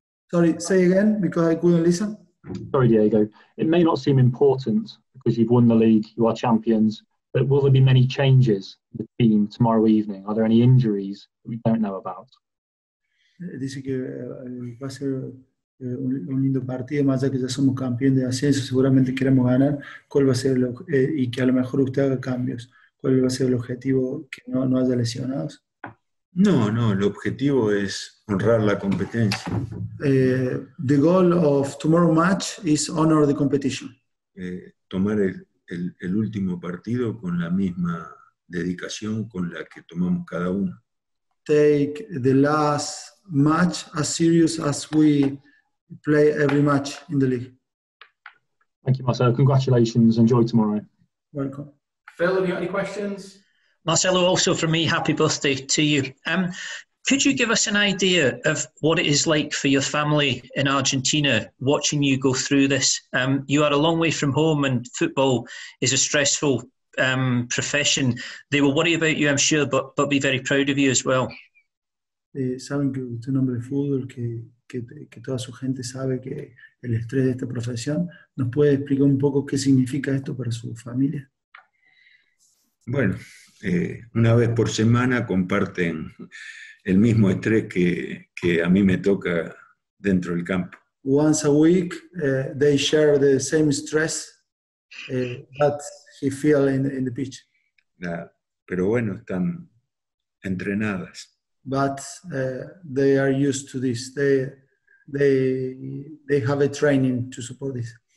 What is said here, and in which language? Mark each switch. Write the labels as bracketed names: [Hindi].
[English] Sorry, say again, because I couldn't listen. Sorry, Diego. It may not seem important because you've won the league, you are champions, but will there be many changes to the team tomorrow evening? Are there any injuries that we don't know about? [Spanish] Dice que va a ser un lindo partido, más allá que ya somos campeón de ascenso, seguramente queremos ganar. ¿Cuál va a ser y que a lo mejor usted haga cambios? ¿Cuál va a ser el objetivo, que no haya lesionados? No, el objetivo es honrar la competencia. [English] The goal of tomorrow match is honor the competition. [Spanish] Tomar el último partido con la misma dedicación con la que tomamos cada uno. [English] Take the last match as serious as we play every match in the league. Thank you, Marcelo. Congratulations. Enjoy tomorrow. Welcome. Phil, have you got any questions? Marcelo, also from me, happy birthday to you. Could you give us an idea of what it is like for your family in Argentina watching you go through this? You are a long way from home and football is a stressful profession. They will worry about you, I'm sure, but be very proud of you as well. [Spanish] Saben que usted es un hombre de fútbol, que toda su gente sabe que el estrés de esta profesión. ¿Nos puede explicar un poco qué significa esto para su familia? Bueno, una vez por semana comparten el mismo estrés que a mí me toca dentro del campo. [English] Once a week they share the same stress that he feel in the pitch. [Spanish] Pero bueno, están entrenadas. [English] But they are used to this. They have a training to support this.